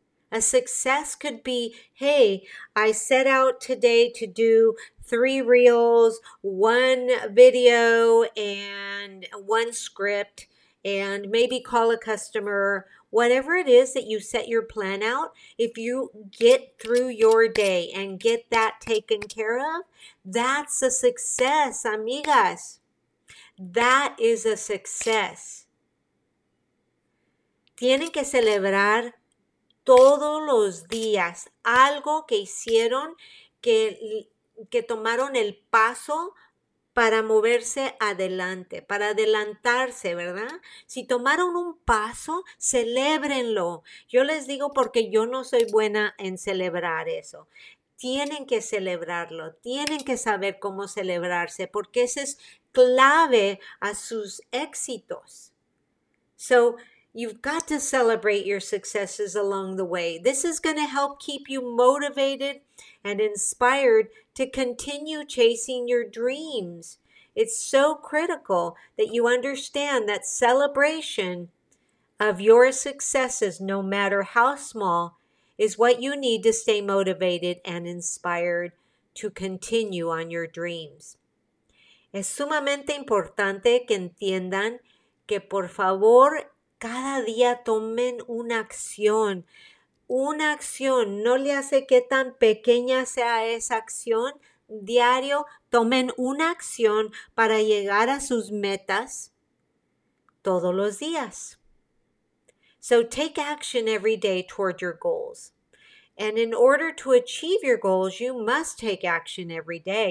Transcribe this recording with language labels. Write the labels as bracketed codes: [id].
[en] A success could be, hey, I set out today to do 3 reels, 1 video, and 1 script, and maybe call a customer. Whatever it is that you set your plan out, if you get through your day and get that taken care of, that's a success, amigas. That is a success. [es] Tienen que celebrar todos los días algo que hicieron, que tomaron el paso para moverse adelante, para adelantarse, ¿verdad? Si tomaron un paso, celébrenlo. Yo les digo porque yo no soy buena en celebrar eso. Tienen que celebrarlo, tienen que saber cómo celebrarse, porque eso es clave a sus éxitos. So, you've got to celebrate your successes along the way. This is going to help keep you motivated and inspired to continue chasing your dreams. It's so critical that you understand that celebration of your successes, no matter how small, is what you need to stay motivated and inspired to continue on your dreams. Es sumamente importante que entiendan que, por favor, cada día tomen una acción. Una acción, no le hace que tan pequeña sea esa acción. Diario, tomen una acción para llegar a sus metas todos los días. [en] So take action every day toward your goals. And in order to achieve your goals, you must take action every day.